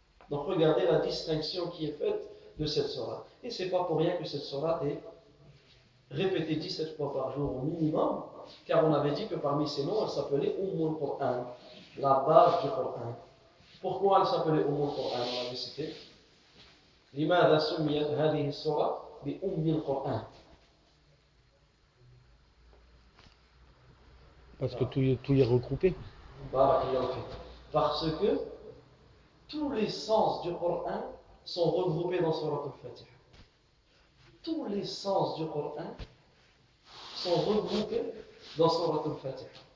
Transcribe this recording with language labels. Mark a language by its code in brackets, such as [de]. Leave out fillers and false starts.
[fr] Donc regardez la distinction qui est faite de cette surat. Et ce n'est pas pour rien que cette surat est répétée 17 fois par jour au minimum, car on avait dit que parmi ses noms, elle s'appelait Umm al-Qur'an, la base du Qur'an. Pourquoi elle s'appelait Umm al-Qur'an? On l'avait cité. [ar] لماذا سميت هذه السورة بأم القرآن؟ [fr] Parce que tout y est regroupé. Parce que tous les sens du Coran sont regroupés dans Surat al-Fatiha. Tous les sens du Coran sont regroupés dans Surat al-Fatiha.